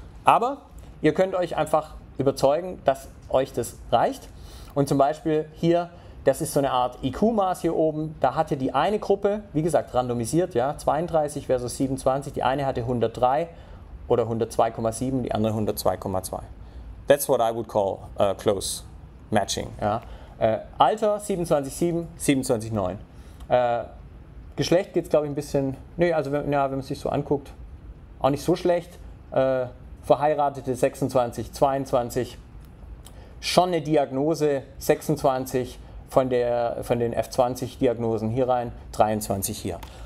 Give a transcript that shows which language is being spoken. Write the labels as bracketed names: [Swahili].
[German] Aber ihr könnt euch einfach überzeugen, dass euch das reicht. Und zum Beispiel hier, das ist so eine Art IQ-Maß hier oben. Da hatte die eine Gruppe, wie gesagt, randomisiert, ja, 32 versus 27. Die eine hatte 103 oder 102,7, die andere 102,2. [English] That's what I would call close matching. [German] Ja. Alter 27,7, 27,9. Geschlecht geht es, glaube ich, ein bisschen, nee, also wenn, ja, wenn man sich so anguckt, auch nicht so schlecht. Verheiratete 26, 22, schon eine Diagnose 26, von den F20-Diagnosen hier rein, 23 hier.